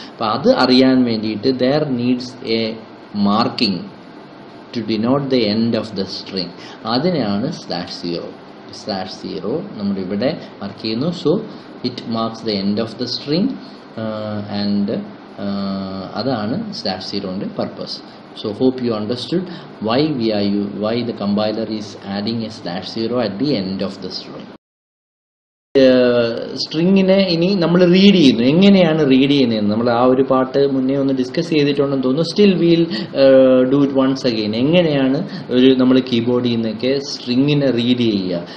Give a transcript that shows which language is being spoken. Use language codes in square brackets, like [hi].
[ml] അപ്പോൾ അത് അറിയാൻ വേണ്ടിയിട്ട് [en] There needs a marking to denote the end of the string. [ml] അതിനെയാണ് /0. നമ്മുടെ ഇവിടെ മാർക്ക് ചെയ്യുന്നു. [en] so it marks the end of the string and [ml] അതാണ് [en] /0 purpose. So hope you understood why the compiler is adding a /0 at the end of the string. [ml] സ്ട്രിങ്ങിനെ ഇനി നമ്മൾ read ചെയ്യുന്നു. എങ്ങനെയാണ് read ചെയ്യുന്നത്? നമ്മൾ ആ ഒരു പാർട്ട് മുന്നേ ഒന്ന് ഡിസ്കസ് ചെയ്തിട്ടുണ്ടെന്ന് തോന്നുന്നു. [en] Still we'll do it once again. [ml] എങ്ങനെയാണ് ഒരു നമ്മൾ കീബോർഡിൽ നിന്നൊക്കെ സ്ട്രിങ്ങിനെ റീഡ് ചെയ്യുക?